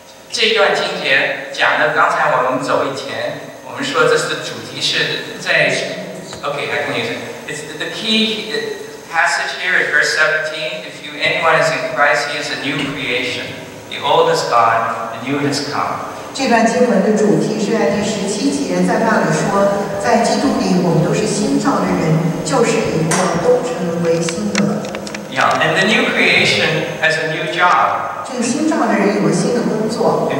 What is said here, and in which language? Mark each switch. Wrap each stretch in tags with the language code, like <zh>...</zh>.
<en>The key passage here is verse 17. If you anyone is in Christ, he is a new creation. The old is gone, the new has come.</en> <zh>这段经文的主题是在第十七节，在那里说，在基督里我们都是新造的人，旧事已过，都成为新的。</zh> <en>Yeah, and the new creation has a new job.</en> <zh>这个新造的人有新的工作。</zh> <en>In</en>